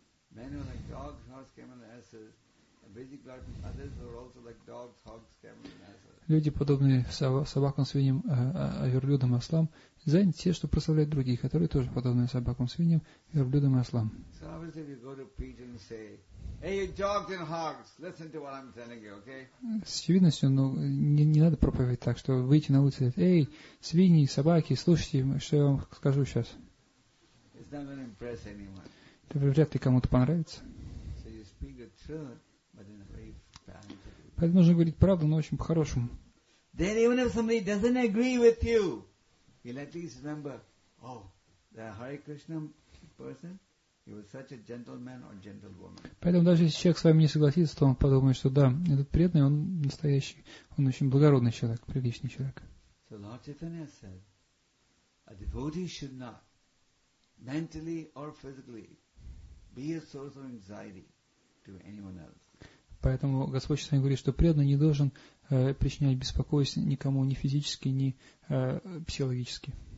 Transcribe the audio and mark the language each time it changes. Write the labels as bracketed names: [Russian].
[English] Men who are like dogs, hogs, camels, and asses, are busy glorifying others who are also like dogs, hogs, camels, and asses. [Russian] Люди, подобные собакам, свиньям, верблюдам и ослам, заняты те, что прославляют других, которые тоже подобные собакам, свиньям, верблюдам и ослам. [English] So obviously if you go to preach and say, hey, you dogs and hogs, listen to what I'm telling you, okay? [Russian] С очевидностью, но не надо проповедовать так, что выйти на улицу и сказать, эй, свиньи, собаки, слушайте, что я вам скажу сейчас. [English] It's not going to impress anyone. [Russian] Вряд ли кому-то понравится. [English] So you speak the truth, but in a very fine. [Russian] Поэтому нужно говорить правду, но очень по-хорошему. [English] Then even if somebody doesn't agree with you, he'll at least remember, oh, the Hare Krishna person, he was such a gentleman or gentlewoman. [Russian] Поэтому даже если человек с вами не согласится, то он подумает, что да, этот преданный, он настоящий, он очень благородный человек, приличный человек. [English] So Lord Chaitanya said, a devotee should not, mentally or physically, be a source of anxiety to anyone else. [Russian] Поэтому Господь Чайтанья говорит, что преданный не должен причинять беспокойство никому, ни физически, ни психологически.